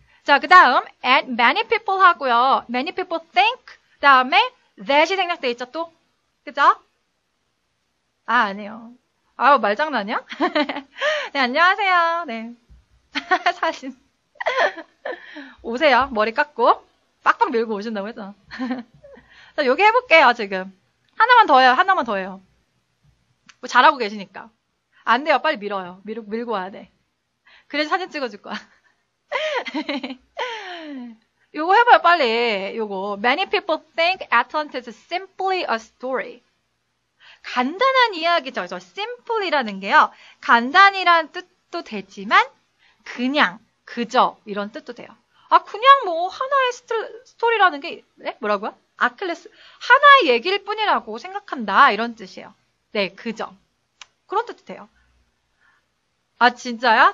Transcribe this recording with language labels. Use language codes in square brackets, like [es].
[ko] 자, 그 다음, [en] and many people [ko] 하고요. [en] Many people think, [ko] 그 다음에 that이 생략되어 있죠, 또. 그죠? 아, 아니요. 아우, 말장난이야? 네, 안녕하세요. 네. 사진. 오세요. 머리 깎고. 빡빡 밀고 오신다고 했죠. 자, 요게 해볼게요, 지금. 하나만 더 해요. 하나만 더 해요. 뭐 잘하고 계시니까. 안 돼요. 빨리 밀어요. 밀고 와야 돼. 그래서 사진 찍어줄 거야. 요거 해봐요, 빨리. 요거. [en] Many people think Atlantis is simply a story. [ko] 간단한 이야기죠. 저 simply라는 게요. 간단이란 뜻도 되지만, 그냥, 그저, 이런 뜻도 돼요. 아, 그냥 뭐, 하나의 스토리라는 게, 네? 뭐라고요? 아클레스. 하나의 얘기일 뿐이라고 생각한다. 이런 뜻이에요. 네, 그저. 그런 뜻도 돼요. 아, 진짜요?